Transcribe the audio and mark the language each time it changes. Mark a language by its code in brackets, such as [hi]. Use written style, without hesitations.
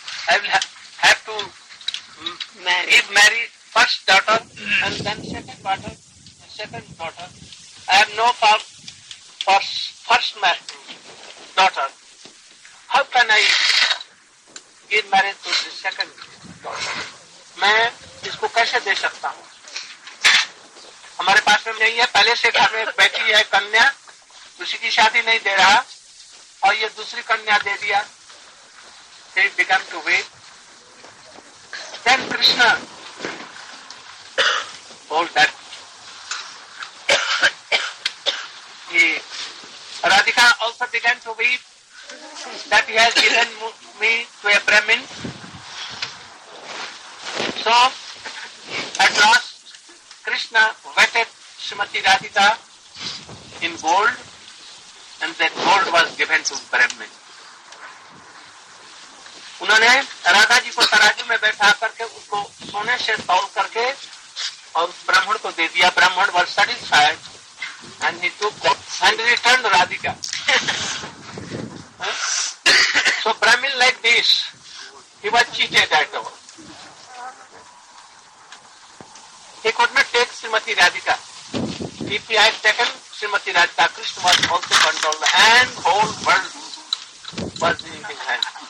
[en] I will have to marry first daughter and then second daughter. I have no power for first daughter. How can I give marriage to the second? [hi] मैं इसको कैसे दे सकता हूँ? हमारे पास में नहीं है, पहले से घर में बैठी है कन्या, उसी की शादी नहीं दे रहा और ये दूसरी कन्या दे दिया। [en] He began to weep. Then Krishna told that he Radhika also began to weep that he has given me to a Brahmin. So, at last, Krishna wetted Srimati Radhika in gold, and that gold was given to Brahmin. [hi] उन्होंने राधा जी को तराजू में बैठा करके उसको सोने से तौल करके और ब्राह्मण को दे दिया। [en] Brahmin was satisfied and he took and returned Radhika. So Brahmin like this, he was cheated at all. He could not take Srimati Radhika. If he had taken Srimati Radhika, Krishna was also bundled and whole world was in his hand.